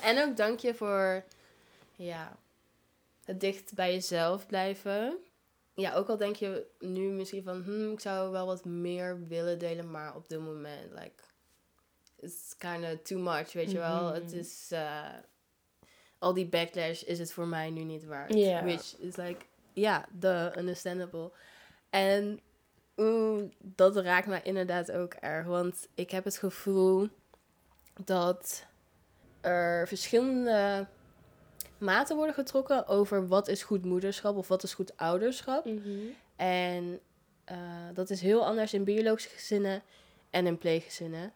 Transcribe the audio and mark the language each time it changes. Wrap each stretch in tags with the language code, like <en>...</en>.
<nl>En ook dank je voor het dicht bij jezelf blijven. Ja, ook al denk je nu misschien van, ik zou wel wat meer willen delen, maar op dit moment,</nl> <en>it's kind of too much,</en> <nl>weet je wel. Het is, al die backlash is het voor mij nu niet waard.</nl> <en>Yeah. Which is understandable.</en> <nl>En dat raakt me inderdaad ook erg, want ik heb het gevoel dat er verschillende maten worden getrokken over wat is goed moederschap of wat is goed ouderschap. En dat is heel anders in biologische gezinnen en in pleeggezinnen.</nl>